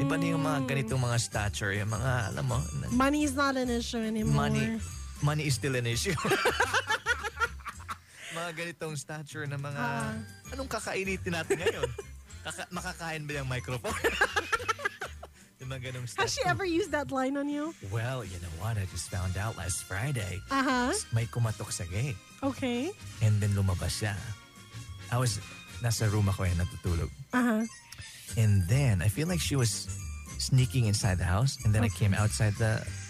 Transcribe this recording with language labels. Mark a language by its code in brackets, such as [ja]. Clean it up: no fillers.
[tl] Iba na yung mga ganitong mga stature, yung mga, alam mo. [en] Money is not an issue anymore. Money is still an issue. [tl] Mga ganitong stature na mga, anong kakainitin natin ngayon? makakain ba yung microphone? Yung mga ganong stature. [en] Has she ever used that line on you? Well, you know what? I just found out last Friday. Uh-huh. [tl] May kumatok sa gate. [en] Okay. And then [tl] lumabas siya. [en] I was, [tl] nasa room ako yan, natutulog. [en] Uh-huh. And then I feel like she was sneaking inside the house, and then I came outside the